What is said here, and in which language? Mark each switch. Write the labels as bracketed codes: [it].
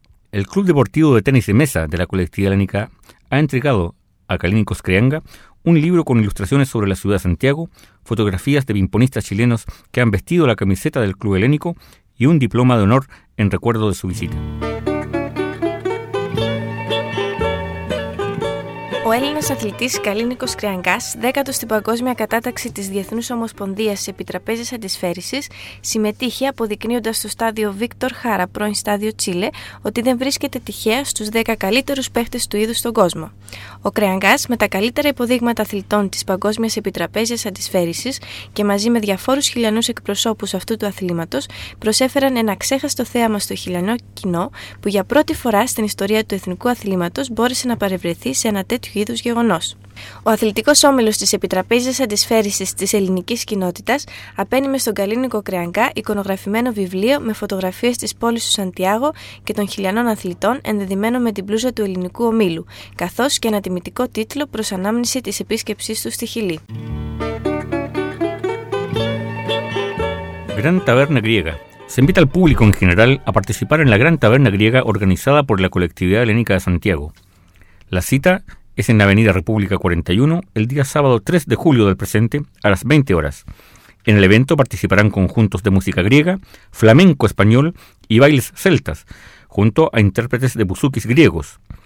[es] El Club Deportivo de Tenis de Mesa de la colectividad helénica ha entregado a Kalínikos Kreanga un libro con ilustraciones sobre la ciudad de Santiago, fotografías de pingponistas chilenos que han vestido la camiseta del club helénico y un diploma de honor en recuerdo de su visita. [el] Ο Έλληνας αθλητής Καλίνικος Κριανγκάς, δέκατος στην παγκόσμια κατάταξη της Διεθνούς Ομοσπονδίας Επιτραπέζης Αντισφαίρησης, συμμετείχε αποδεικνύοντας στο στάδιο Βίκτορ Χάρα, πρώην στάδιο Τσίλε, ότι δεν βρίσκεται τυχαία στους 10 καλύτερους παίχτες του είδους στον κόσμο. Ο Κριανγκάς, με τα καλύτερα υποδείγματα αθλητών της Παγκόσμιας Επιτραπέζιας Αντισφαίρησης και μαζί με διαφόρους χιλιανούς εκπροσώπους αυτού του αθλήματος, προσέφεραν ένα ξέχαστο θέαμα στο χιλιανό κοινό που για πρώτη φορά στην ιστορία του εθνικού αθλήματος μπόρεσε να παρευρεθεί σε ένα τέτοιο είδους γεγονός. Ο αθλητικός όμιλος της Επιτραπέζιας Αντισφαίρησης της ελληνικής κοινότητας απένιμε στον Καλίνικο Κριανγκά εικονογραφημένο βιβλίο με φωτογραφίες της πόλης του Σαντιάγο και των χιλιανών αθλητών ενδεδειμένο με την πλούσια του ελληνικού ομίλου, καθώς και ένα τιμητικό τίτλο προς ανάμνηση της επίσκεψής του στη Χιλή. [es] Gran Taberna Griega. Se invita al público en general a participar en la Gran Taberna Griega organizada por la colectividad helénica de Santiago. La cita es en la Avenida República 41, el día sábado 3 de julio del presente, a las 20 horas. En el evento participarán conjuntos de música griega, flamenco español y bailes celtas, junto a intérpretes de buzukis griegos.